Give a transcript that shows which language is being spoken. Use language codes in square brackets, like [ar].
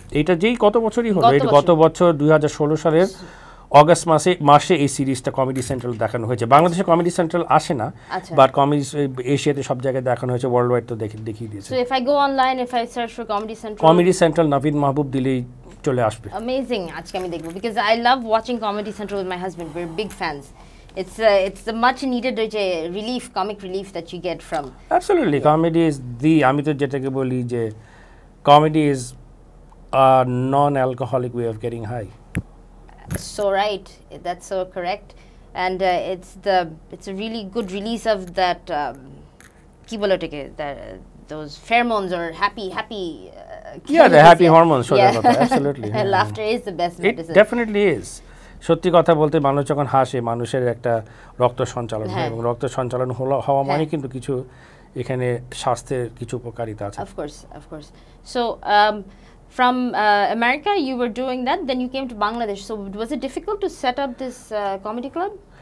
[bn] এটা, যেই কত বছরই হলো, এটা গত বছর 2016 সালের অগস্ট মাসে এই সিরিজটা কমেডি সেন্ট্রাল দেখানো হয়েছে। বাংলাদেশে কমেডি সেন্ট্রাল আসে না, বাট কমেডি এশিয়াতে সব জায়গায় দেখানো হয়েছে, ওয়ার্ল্ড ওয়াইড তো দেখিয়ে দিয়েছে। [en] so if I go online, if I search for comedy central, [bn] comedy central নবীন মাহবুব দিলেই চলে আসবে। [en] amazing, [bn] আজকে আমি দেখব, [en] Because I love watching Comedy Central with my husband, we are big fans. It's a much needed relief, comic relief that you get from. Absolutely. Yeah. Comedy is the, [bn] ami to jetake boli je [en] comedy is a non-alcoholic way of getting high. So right. That's so correct. And it's a really good release of that, [bn] ki bolo take, [en] those pheromones or happy. The happy hormones. Absolutely. Laughter is the best medicine. It definitely is. [bn] সত্যি কথা বলতে মানুষ যখন হাসে, মানুষের একটা রক্ত সঞ্চালন হয় এবং রক্ত সঞ্চালন হওয়া মানে কিন্তু কিছু এখানে স্বাস্থ্যের কিছু উপকারিতা আছে। [en] Of course. So from America you were doing that, then you came to Bangladesh, so was it difficult to set up this comedy club?